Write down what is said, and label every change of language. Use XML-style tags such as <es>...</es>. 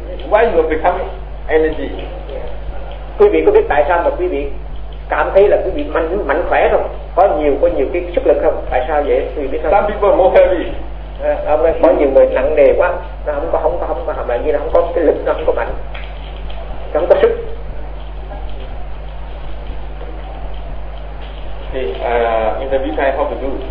<en>Why you are becoming energy?</en> <vi>Quý vị có biết tại sao mà quý vị cảm thấy là quý vị mạnh khỏe không? Có nhiều cái sức lực không? Tại sao vậy? Quý vị biết không?</vi> <en>Some people are more heavy.</en> <vi>Có nhiều người nặng nề quá, nó không có hầm là như là không có cái lực, nó không có mạnh, không có sức.</vi> <en>In the meantime, how to do?</en>